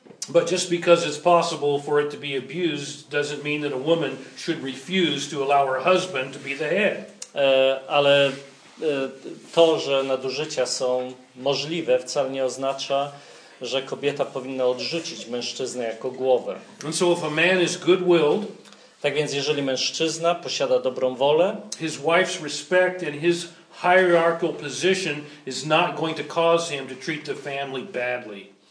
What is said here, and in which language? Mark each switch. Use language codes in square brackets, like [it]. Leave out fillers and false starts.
[en] But just because it's possible for it to be abused doesn't mean that a woman should refuse to allow her husband to be the head. [pl] Ale to, że nadużycia są możliwe, wcale nie oznacza, że kobieta powinna odrzucić mężczyznę jako głowę. [en] And so if a man is good-willed, [pl] tak więc jeżeli mężczyzna posiada dobrą wolę, [en] his wife's respect and his hierarchical position is not going to cause him to treat the family badly.